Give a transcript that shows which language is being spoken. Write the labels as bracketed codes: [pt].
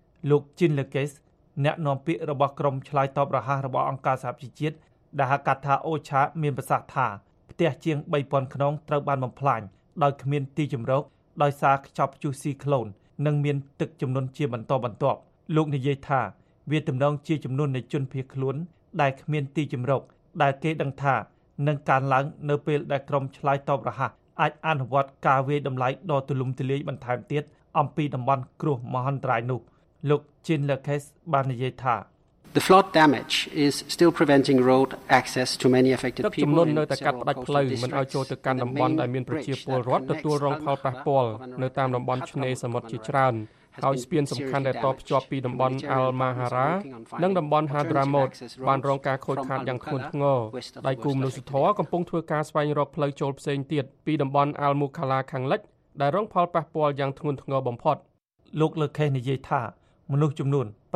[km] លោកជីនលេកេសអ្នកនាំពាក្យរបស់ក្រុមឆ្លើយតបរហ័សរបស់អង្គការសហប្រជាជាតិដែលហៅកាត់ថា OCHA មានប្រសាសន៍ថាផ្ទះជាង 3,000 ខ្នងត្រូវបានបំផ្លាញដោយគ្មានទីជម្រកដោយសារខ្ចប់ព្យុះស៊ីក្លូននិងមានទឹកជំនន់ជាបន្តបន្ទាប់លោកនិយាយថាវាទំនងជាចំនួននៃជនភៀសខ្លួនដែលគ្មានទីជម្រកដែលគេដឹងថា នឹងកើនឡើងនៅពេលដែលក្រុមឆ្លើយតបរហ័សអាចអនុវត្តការវាយតម្លៃដ៏ទូលំទូលាយបន្ថែមទៀតអំពីតំបន់គ្រោះមហន្តរាយនោះលោក Jean Lacaz បាននិយាយថា [en] The flood damage is still preventing road access to many affected people. [km] ទឹកជំនន់នៅតែកាត់ផ្តាច់ផ្លូវមិនឲ្យចូលទៅកាន់តំបន់ដែលមានប្រជាពលរដ្ឋទទួលរងផលប៉ះពាល់នៅតាមតំបន់ឆ្នេរសមុទ្រជាច្រើនហើយស្ពានសំខាន់ដែលតភ្ជាប់ពីតំបន់អាល់ម៉ាហារ៉ានិងតំបន់ហាដ្រាម៉ូតបានរងការខូចខាតយ៉ាងធ្ងន់ធ្ងរដៃគូមនុស្សធម៌កំពុងធ្វើការស្វែងរកផ្លូវចូលផ្សេងទៀតពីតំបន់អាល់មូខាឡាខាងលិចដែលរងផលប៉ះពាល់យ៉ាងធ្ងន់ធ្ងរបំផុតលោកលឺខេសនិយាយថាមនុស្សចំនួន